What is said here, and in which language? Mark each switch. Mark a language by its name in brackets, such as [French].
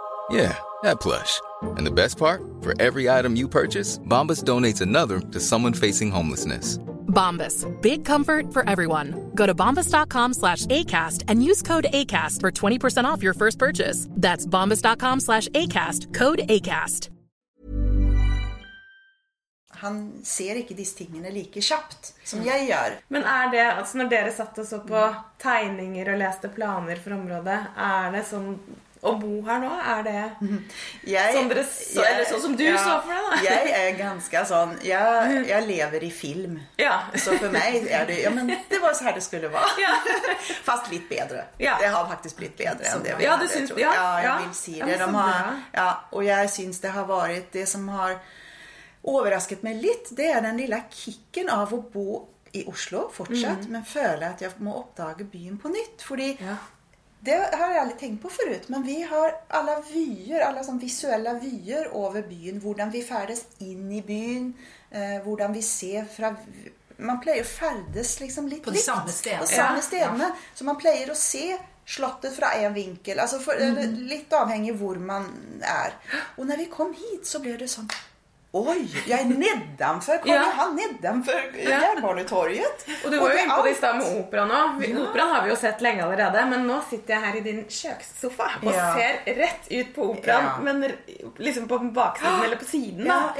[English] Yeah, that plush. And the best part? For every item you purchase, Bombas donates another to someone facing homelessness. Bombas. Big comfort for everyone. Go to bombas.com/ACAST and use code ACAST for 20% off your first purchase. That's bombas.com/ACAST, code ACAST. [Norwegian] Han ser inte disse tingene like kjapt som jeg gjør. Men er det, altså når dere satt og så på tegninger og leste planer for området, er det sånn, å bo her nå, er det sånn som du så for deg da? Jeg er ganske sånn, jeg lever i film. Ja. Så for meg er det, ja men det var så her det skulle være. Ja. Fast litt bedre. Ja. Det har faktisk blitt bedre enn det vi har. Ja, du synes det. Ja, jeg vil si det. De har, ja, og jeg synes det har vært det som har overrasket meg litt, det den lille kicken av å bo i Oslo fortsatt, men føle at jeg må oppdage byen på nytt, fordi det har jeg aldri tenkt på forut, men vi har alle vyer, alle sånn visuelle vyer over byen, hvordan vi ferdes inn i byen, hvordan vi ser fra... Man pleier å ferdes liksom litt på de samme stedene, så man pleier å se slottet fra en vinkel, altså for, litt avhengig hvor man er. Og når vi kom hit, så ble det sånn oj, [Swedish] jag är nedanför. Kom han nedanför Järnbanetorget. Och du var ju inne på det där med operan och operan har vi ju sett länge allerede, men nu sitter jag här i din kökssoffa och ser rätt ut på operan, men liksom på baksidan eller på sidan